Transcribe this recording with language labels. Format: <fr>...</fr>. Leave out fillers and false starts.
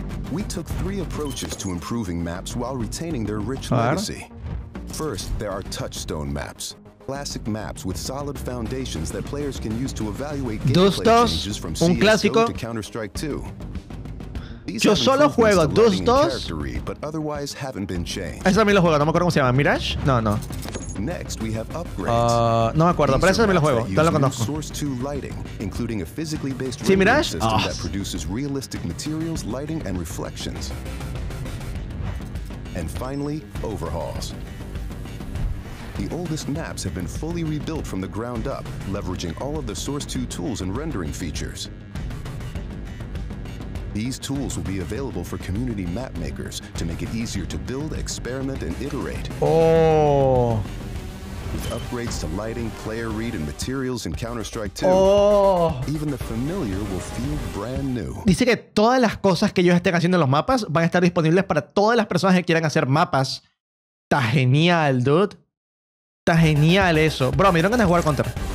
<en>We took 3 approaches to improving maps while retaining their rich legacy. First, there are touchstone maps. Classic maps with solid foundations that players can use to evaluate gameplay changes from CSGO to Counter-Strike 2.</en> <es>Yo solo juego Dust2,</es> <en>but otherwise haven't been changed.</en> <es>Esa también lo juego, no me acuerdo cómo se llama. Mirage? No, no.</es> <en>Next, we have</en> <es>upgrades. No me acuerdo, pero ese también lo juego. Ya lo conozco.</es> <en>Source 2 lighting, including a physically based</en> <es>¿Sí, Mirage?</es> <en>System that produces realistic materials, lighting and reflections. And finally, overhauls. The oldest maps have been fully rebuilt from the ground up, leveraging all of the Source 2 tools and rendering features. These tools will be available for community map makers to make it easier to build, experiment, and iterate. Oh. With upgrades to lighting, player read, and materials in Counter-Strike 2, oh. Even the familiar will feel brand new.</en> <es>Dice que todas las cosas que ellos estén haciendo en los mapas van a estar disponibles para todas las personas que quieran hacer mapas. Está genial, dude. Está genial eso. Bro, me dieron ganas de jugar contra.</es>